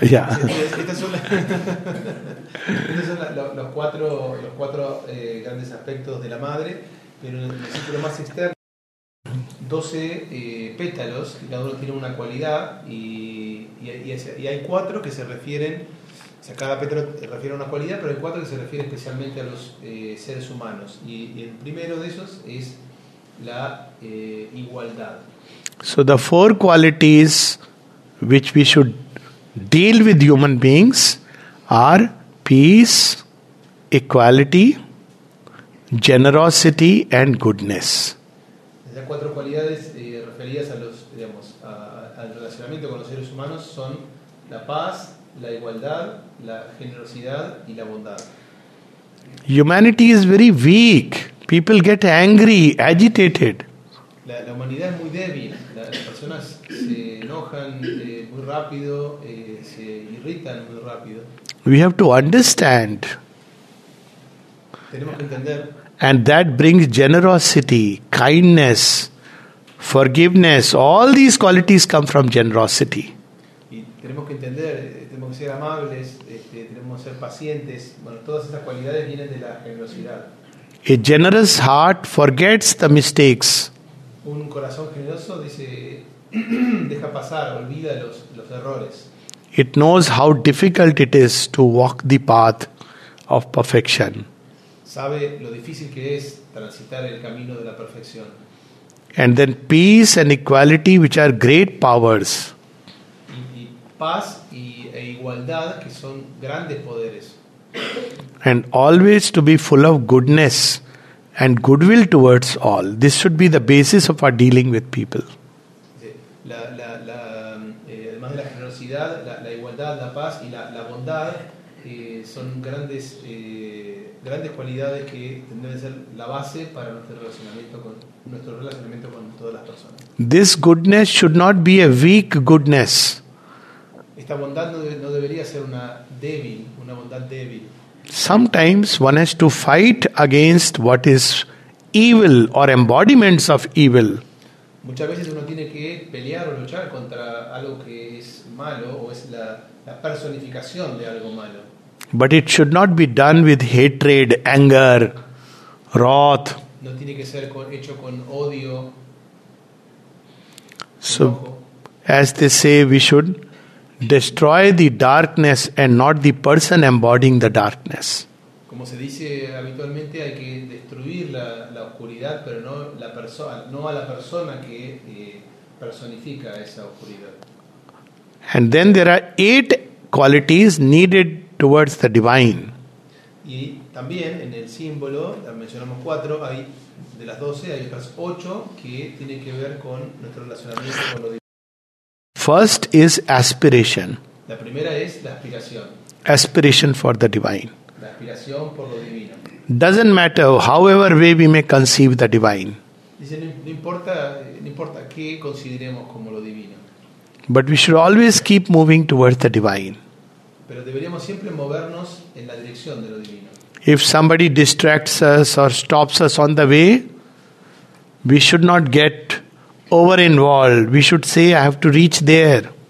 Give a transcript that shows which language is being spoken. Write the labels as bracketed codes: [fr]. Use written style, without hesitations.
[es] Estos son los cuatro grandes aspectos de la madre, pero en el ciclo más externo, 12 pétalos, cada uno tiene una cualidad y hay cuatro que se refieren, o sea, cada pétalo refiere a una cualidad, pero hay cuatro que se refieren especialmente a los seres humanos. Y el primero de esos es la igualdad. [en] So the four qualities which we should deal with human beings are peace, equality, generosity and goodness. [es] Las cuatro cualidades referidas a los, digamos, al relacionamiento con los seres humanos son la paz, la igualdad, la generosidad y la bondad. [en] Humanity is very weak. People get angry, agitated. [es] La humanidad es muy débil. Las personas se enojan muy rápido, se irritan muy rápido. [en] We have to understand. [es] Tenemos que entender. [en] And that brings generosity, kindness, forgiveness. All these qualities come from generosity. [es] Y tenemos que entender, tenemos que ser amables, tenemos que ser pacientes. Bueno, todas esas cualidades vienen de la generosidad. [en] A generous heart forgets the mistakes. [es] Un corazón generoso dice, deja pasar, olvida los errores. [en] It knows how difficult it is to walk the path of perfection. [es] Sabe lo difícil que es transitar el camino de la perfección. [en] And then peace and equality, which are great powers. [es] Y paz e igualdad, que son grandes poderes. [en] And always to be full of goodness and goodwill towards all. This should be the basis of our dealing with people. [es] Además de la generosidad, la igualdad, la paz y la bondad son grandes grandes cualidades que deben ser la base para nuestro relacionamiento con todas las personas. [en] This goodness should not be a weak goodness. [es] Esta bondad no debería ser una bondad débil. [en] Sometimes one has to fight against what is evil or embodiments of evil. [es] Muchas veces uno tiene que pelear o luchar contra algo que es malo o es la personificación de algo malo. [en] But it should not be done with hatred, anger, wrath. [es] No tiene que ser hecho con odio. [en] So, as they say, we should destroy the darkness and not the person embodying the darkness. [es] Como se dice habitualmente, hay que destruir la oscuridad, pero no la persona, no a la persona que personifica esa oscuridad. [en] And then there are 8 qualities needed towards the divine. [es] Y también en el símbolo mencionamos 4, hay de las 12 hay otras 8 que tienen que ver con nuestro relacionamiento con lo divino. [en] First is aspiration. [es] La primera es la aspiración. [en] Aspiration for the divine. [es] La aspiración por lo divino. [en] Doesn't matter however way we may conceive the divine. [es] Dice, no importa qué consideremos como lo divino. [en] But we should always keep moving towards the divine. [es] Pero deberíamos siempre movernos en la dirección de lo divino. [en] If somebody distracts us or stops us on the way, we should not get over involved. We should say, I have to reach there.